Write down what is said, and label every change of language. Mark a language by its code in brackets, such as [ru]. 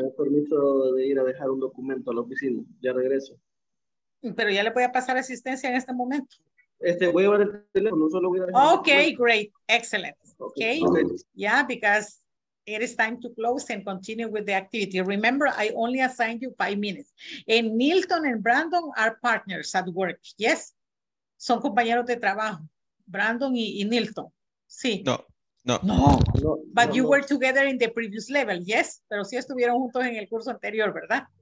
[es] Me permiso de ir a dejar un documento a la oficina. Ya regreso. Pero ya le voy a pasar asistencia en este momento. Voy a llevar el teléfono, solo voy a [en] dejar. Okay, great. Excellent. Okay. Yeah, because it is time to close and continue with the activity. Remember, I only assigned you 5 minutes. And Milton and Brandon are partners at work. [es] Yes? Son compañeros de trabajo. Brandon y Milton. Sí. No. [en] But you were together in the previous level. Yes? [es] Pero sí estuvieron juntos en el curso anterior, ¿verdad?